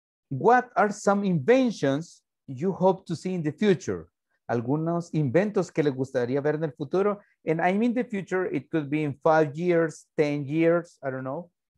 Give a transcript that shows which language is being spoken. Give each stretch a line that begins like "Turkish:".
English: What are some inventions you hope to see in the future?
Spanish: Algunos inventos que le gustaría ver en el futuro.
English: And I mean the future, it could be in 5 years, 10 years, I don't know.